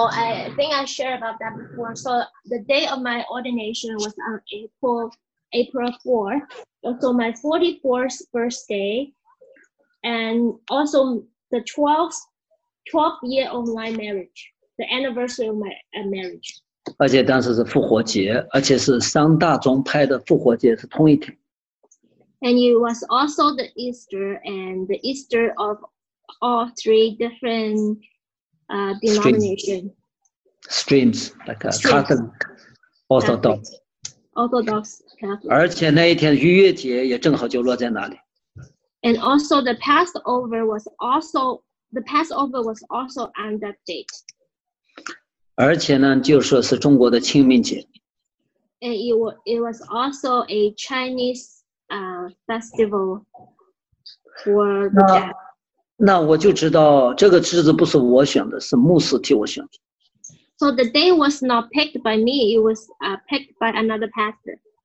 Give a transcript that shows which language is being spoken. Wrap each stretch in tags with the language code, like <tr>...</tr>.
<en>I think I shared about that before. So the day of my ordination was on April 4th, also my 44th birthday, and also the 12th year of my marriage, the anniversary of my marriage.</en> <zh>而且当时是复活节，而且是三大宗派的复活节是同一天。</zh> <en>And it was also the Easter, and the Easter of all three different denominations. Streams, like Catholic, Orthodox. Orthodox Catholic.</en> <zh>而且那一天逾越节也正好就落在那里。</zh> <en>And also the Passover was also on that date.</en> <zh>而且呢，就说是中国的清明节。</zh> <en>And it was also a Chinese festival for the day.</en> <zh>那我就知道这个日子不是我选的，是牧师替我选的。</zh> <en>So the day was not picked by me, it was picked by another pastor.</en>